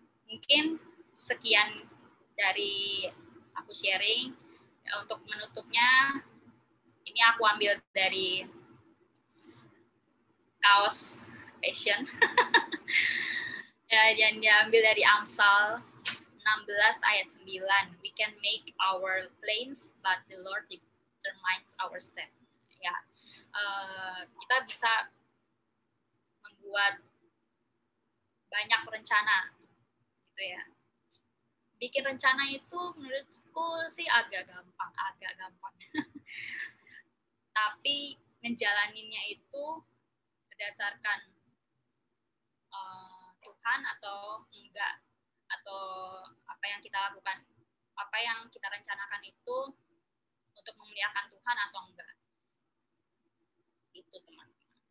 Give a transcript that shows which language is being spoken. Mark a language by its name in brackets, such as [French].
[Indonesian] Mungkin sekian dari aku sharing. Untuk menutupnya, ini aku ambil dari kaos passion. Yang diambil dari Amsal 16 ayat 9. [English] We can make our plans, but the Lord determines our step. [Indonesian] Ya, kita bisa membuat banyak rencana, gitu ya. Bikin rencana itu menurutku sih agak gampang. Tapi menjalaninya itu berdasarkan Tuhan atau enggak, atau apa yang kita lakukan, apa yang kita rencanakan itu untuk memuliakan Tuhan atau enggak. Itu teman-teman.